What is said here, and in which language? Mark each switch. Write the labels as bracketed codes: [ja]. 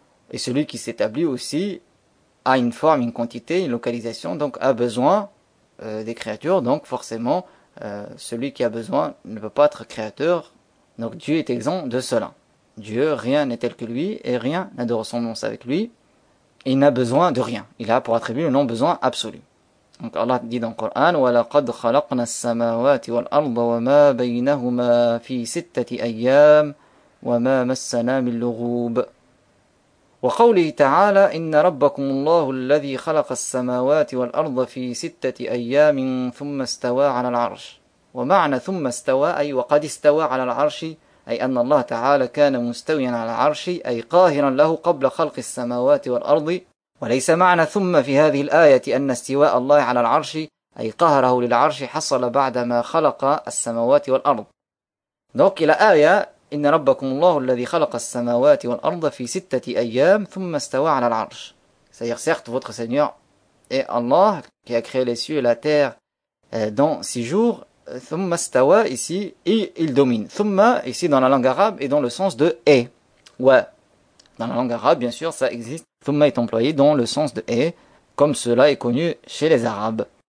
[fr] Et celui qui s'établit aussi a une forme, une quantité, une localisation, donc a besoin des créatures, donc forcément, celui qui a besoin ne peut pas être créateur. Donc Dieu est exempt de cela. Dieu, rien n'est tel que lui, et rien n'a de ressemblance avec lui, et il n'a besoin de rien. Il a pour attribut le non-besoin absolu. Donc Allah dit dans le Coran, [ar] وَلَقَدْ خَلَقْنَا السَّمَاوَاتِ وَالْأَرْضَ وَمَا بَيْنَهُمَا فِي سِتَّةِ أَيَّامٍ وَمَا مَسَّنَا مِنْ لُغُوبٍ. وَقَوْلِهِ تَعَالَى إِنَّ رَبَّكُمُ اللَّهُ الَّذِي خَلَقَ السَّمَاوَاتِ وَالْأَرْضَ فِي سِتَّةِ أَيَّامٍ ثُمَّ اسْتَوَى عَلَى الْعَرْشِ. وَمَعْنَى ثُمَّ اسْتَوَى أَيْ وَقَدْ اسْتَوَى عَلَى الْعَرْشِ أَيْ أَنَّ اللَّهَ تَعَالَى كَانَ مُسْتَوِيًا عَلَى الْعَرْشِ أَيْ قَاهِرًا لَهُ قَبْلَ خَلْقِ السَّمَاوَاتِ وَالْأَرْضِ. وليس معنى ثم في هذه الآية أن استواء الله على العرش أي قهره للعرش حصل بعدما خلق السماوات والأرض. [fr] Donc la aya [ar] إن ربكم الله الذي خلق السماوات والأرض في ستة أيام ثم استوى على العرش. [fr] C'est-à-dire certes votre Seigneur est Allah qui a créé les cieux et la terre dans six jours. [ar] ثم استوى [fr] ici et il domine. ثم ici dans la langue arabe et dans le sens de et. Ouais. Dans la langue arabe, bien sûr, ça existe. Thumma est employé dans le sens de et, comme cela est connu chez les Arabes.